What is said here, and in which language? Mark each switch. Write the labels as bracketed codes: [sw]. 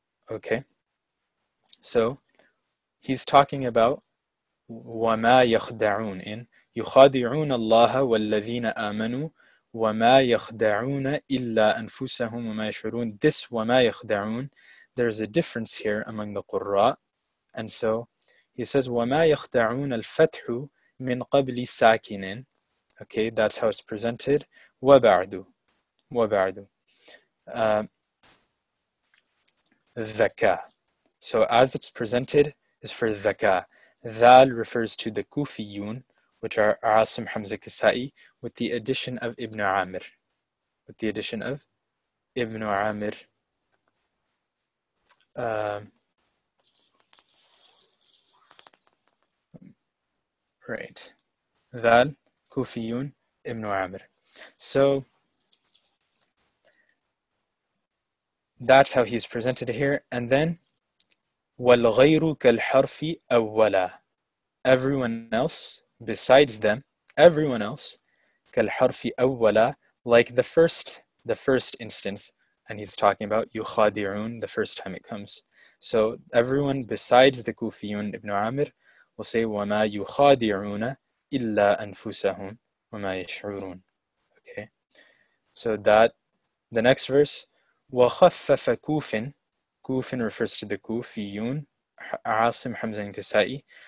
[en] Okay, so he's talking about [ar] وَمَا يَخْدَعُونَ in يُخَادِعُونَ اللَّهَ وَالَّذِينَ آمَنُوا وَمَا يَخْدَعُونَ إِلَّا أَنفُسَهُمْ وَمَا يَشْعُرُونَ. [en] This [ar] وَمَا يَخْدَعُونَ, [en] there is a difference here among the Qurra'. And so he says [ar] وَمَا يَخْدَعُونَ الْفَتْحُ مِنْ قَبْلِ سَاكِنٍ. [en] Okay, that's how it's presented. [ar] وَبَعْدُ وَبَعْدُ ذَكَى. [en] So as it's presented is for ذَكَى. ذَال refers to the كُوفِيُّون, which are عَاصِم حَمْزَ كِسَائِي, with the addition of Ibn Amir. With the addition of Ibn Amir. Right. ذَال, كُوفِيُّون, Ibn Amir. So that's how he's presented here. And then, [ar] وَالْغَيْرُ كَالْحَرْفِ أَوَّلًا. [en] Everyone else, besides them, everyone else, [ar] كَالْحَرْفِ أَوَّلًا, [en] like the first instance, and he's talking about يُخَادِعُونَ, the first time it comes. So everyone besides the كُوفِيُّون Ibn Amir will say [ar] وَمَا يُخَادِعُونَ إِلَّا أَنفُسَهُمْ وَمَا يَشْعُرُونَ. [en] Okay, so that, the next verse, [ar] وَخَفَّفَ كُوفٍ. [en] كُوفٍ refers to the كُوفِيُّون, عَاصِم حَمْزَ الْكِسَائِي.